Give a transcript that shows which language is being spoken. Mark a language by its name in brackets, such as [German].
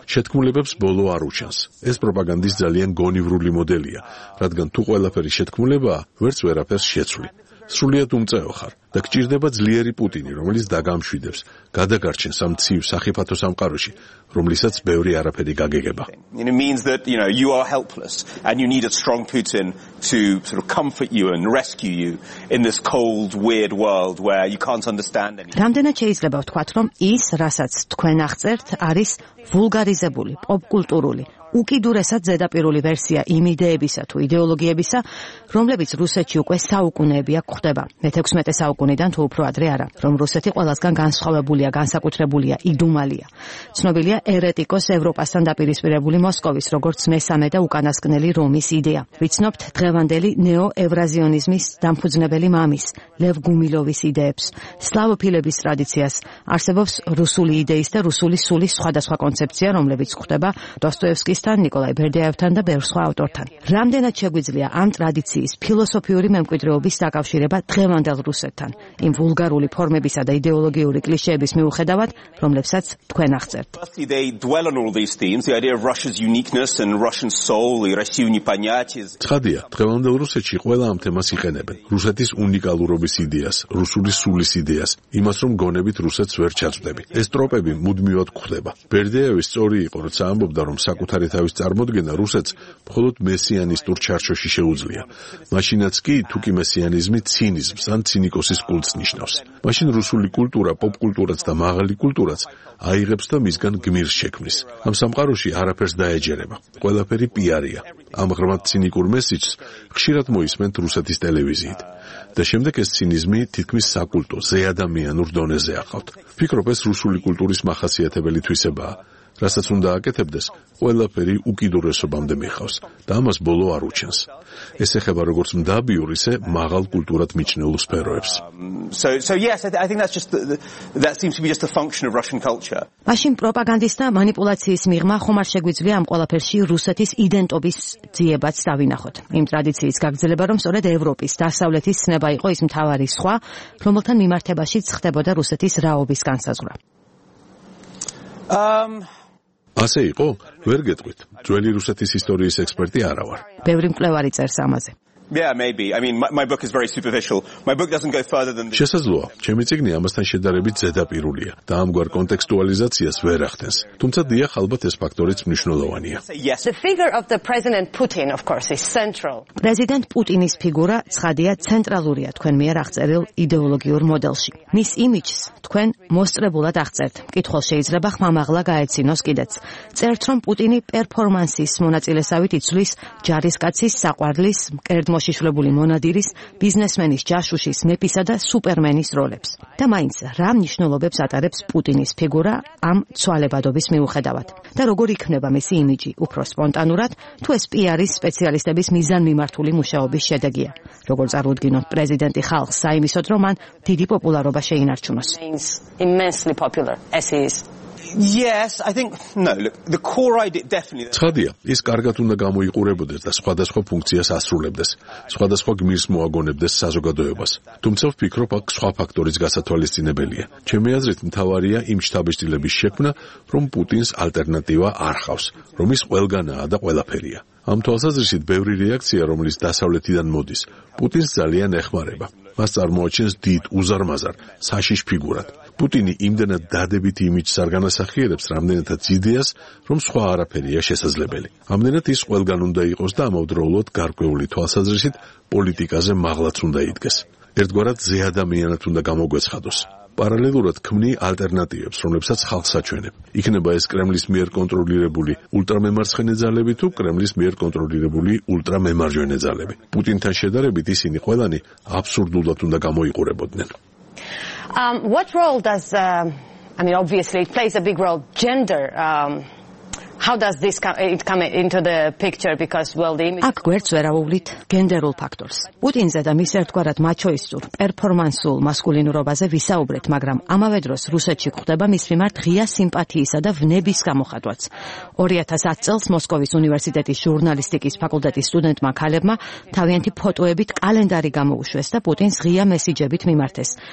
[Georgian] შეთქმულებებს ბოლო არ უჩანს. ეს პროპაგანდის ძალიან გონივრული მოდელია, რადგან თუ ყველაფერი შეთქმულებაა, ვერც ვერაფერს შეცვლი. სრულიად უმწეო ხარ და გჭირდება ძლიერი პუტინი, რომელიც დაგამშვიდებს, გადაგარჩენს ამ ცივ სახიფათო სამყაროში, რომლისაც ბევრი არაფერი გაგეგება. [English] It means that, you know, you are helpless and you need a strong Putin to sort of comfort you and rescue you in this cold weird world where you can't understand anything. [Georgian] რამდენად შეიძლება ვთქვათ, რომ ის, რასაც თქვენ აღწერთ, არის ვულგარიზებული, პოპკულტურული, უკიდურესად ზედაპირული ვერსია იმ იდეებისა თუ იდეოლოგიებისა, რომლებიც რუსეთში უკვე საუკუნეებია გვხვდება. მე-16 საუკუნიდან თუ უფრო ადრე არა, რომ რუსეთი ყველასგან განსხვავებულია, განსაკუთრებულია, იდუმალია. ცნობილია ერეტიკოს ევროპასთან დაპირისპირებული მოსკოვის, როგორც მესამე და უკანასკნელი რომის იდეა. ვიცნობთ დღევანდელი ნეოევრაზიონიზმის დამფუძნებელი მამის, ლევ გუმილოვის იდეებს, სლავოფილების ტრადიციას. არსებობს რუსული იდეის და რუსული სულის სხვადასხვა კონცეფცია, რომლებიც გვხვდება დოსტოევსკის კისთან, ნიკოლაი ბერდიაევთან და ბევრ სხვა ავტორთან. რამდენად შეგვიძლია ამ ტრადიციის ფილოსოფიური მემკვიდრეობის დაკავშირება დღევანდელ რუსეთთან, იმ ვულგარული ფორმებისა და იდეოლოგიური კლიშეების მიუხედავად, რომლებსაც თქვენ აღწერთ? [English] They dwell on all these themes, the idea of Russia's uniqueness and Russian soul, the Russian понятия. [Georgian] ცხადია, დღევანდელ რუსეთში ყველა ამ თემას იყენებენ. რუსეთის უნიკალურობის იდეას, რუსული სულის იდეას, იმას, რომ გონებით რუსეთს ვერ ჩაწვდები. ეს ტროპები მუდმივად გვხვდება. ბერდიაევი სწორი იყო, როცა ამბობდა, რომ საკუთარი თავის წარმოდგენა რუსეთს მხოლოდ მესიანისტურ ჩარჩოში შეუძლია. მაშინაც კი, თუ კი მესიანიზმი ცინიზმს ან ცინიკოსის კულტს ნიშნავს. მაშინ რუსული კულტურა, პოპკულტურაც და მაღალი კულტურაც აიღებს და მისგან გმირს შექმნის. ამ სამყაროში არაფერს დაეჯერება, ყველაფერი პიარია. ამ ღრმად ცინიკურ მესიჯს ხშირად მოისმენთ რუსეთის ტელევიზიით. და შემდეგ ეს ცინიზმი თითქმის საკულტო, ზეადამიანურ დონეზე აყავთ. ფიქრობ, ეს რუსული კულტურის მახასიათებელი თვისებაა. რასაც უნდა აკეთებდეს, ყველაფერი უკიდურესობამდე მიხავს და ამას ბოლო არ უჩენს. ეს ეხება როგორც მდაბიურ, ისე მაღალ კულტურად მიჩნეულ სფეროებს. [English] So yes, I think that seems to be just a function of Russian culture. [Georgian] მაშინ პროპაგანდისტთა მანიპულაციის მიღმა ხომ არ შეგვიძლია ამ ყველაფერში რუსეთის იდენტობის ძიებაც დავინახოთ? იმ ტრადიციის გაგრძელება, რომ სწორედ ევროპის დასავლეთის ცნება იყო ის მთავარი სხვა, რომელთან მიმართებაში ცხდებოდა რუსეთის რაობის განსაზღვრა. ასე იყო? ვერ გეტყვით. ძველი რუსეთის ისტორიის ექსპერტი არა ვარ. ბევრი მკვლევარი წერს ამაზე. [English] Yeah, maybe. I mean, my book is very superficial. My book doesn't go further than [Georgian] შესაძლოა, ჩემი წიგნი ამასთან შედარებით ზედაპირულია და ამგვარ კონტექსტუალიზაციას ვერ ახდენს. თუმცა დიახ, ალბათ ეს ფაქტორიც მნიშვნელოვანია. [English] The figure of the President Putin, of course, is central. [Georgian] პრეზიდენტ პუტინის ფიგურა ცხადია ცენტრალურია თქვენ მიერ აღწერილ იდეოლოგიურ მოდელში. მის იმიჯს თქვენ მოსწრებულად აღწერთ. მკითხველს შეიძლება ხმამაღლა გაეცინოს კიდეც. წერთ, რომ პუტინი პერფორმანსის მონაწილესავით იცვლის ჯარისკაცის საყვარლის მკერდ მოშიშვლებული მონადირის, ბიზნესმენის, ჯაშუშის, მეფისა და სუპერმენის როლებს. და მაინც რა მნიშვნელობებს ატარებს პუტინის ფიგურა ამ ცვალებადობის მიუხედავად? და როგორ იქნება მისი იმიჯი უფრო სპონტანურად, თუ ეს პიარის სპეციალისტების მიზანმიმართული მუშაობის შედეგია? როგორ წარუდგინოთ პრეზიდენტი ხალხს საიმისოდ, რომ მან დიდი პოპულარობა შეინარჩუნოს? [English] Immensely popular as he is. Yes, I think no, look, the core idea definitely. [Georgian] ცხადია, ის კარგად უნდა გამოიყურებოდეს და სხვადასხვა ფუნქციას ასრულებდეს. სხვადასხვა გმირს მოაგონებდეს საზოგადოებას. თუმცა ვფიქრობ, აქ სხვა ფაქტორიც გასათვალისწინებელია. ჩემი აზრით, მთავარია იმ შტაბისტილების შექმნა, რომ პუტინს ალტერნატივა არ ხავს, რომ ის ყველგანაა და ყველაფერია. ამ თვალსაზრისით ბევრი რეაქცია, რომელიც დასავლეთიდან მოდის, პუტინს ძალიან ეხმარება. მას წარმოაჩენს დიდ უზარმაზარ საშიშ ფიგურად. პუტინი იმდენად დადებით იმიჯს არ განასახიერებს რამდენადაც იდეას, რომ სხვა არაფერია შესაძლებელი. ამდენად ის ყველგან უნდა იყოს და ამავდროულად გარკვეული თვალსაზრისით პოლიტიკაზე მაღლაც უნდა იდგეს. ერთგვარად ზე ადამიანად უნდა გამოგვეცხადოს. პარალელურად ქმნი ალტერნატივებს, რომლებსაც ხალხს აჩვენებ. იქნება ეს კრემლის მიერ კონტროლირებული ულტრამემარცხენე ძალები თუ კრემლის მიერ კონტროლირებული ულტრამემარჯვენე ძალები. პუტინთან შედარებით ისინი ყველანი აბსურდულად უნდა გამოიყურებოდნენ. [English] What role does obviously it plays a big role, gender. How does this come into the picture? Because well, the image [Georgian] აქ გვერდს ვერავულით გენდერულ ფაქტორს. პუტინზე და მის ერთგვარად მაჩოისტურ პერფორმანსულ მასკულინურობაზე ვისაუბრეთ, მაგრამ ამავე დროს რუსეთში ხდება მის მიმართ ღია სიმპათიისა და ვნების გამოხატვაც. 2010 წელს მოსკოვის უნივერსიტეტის ჟურნალისტიკის ფაკულტეტის სტუდენტმა ქალებმა თავიანთი ფოტოებით კალენდარი გამოუშვეს და პუტინს ღია მესიჯებით მიმართეს.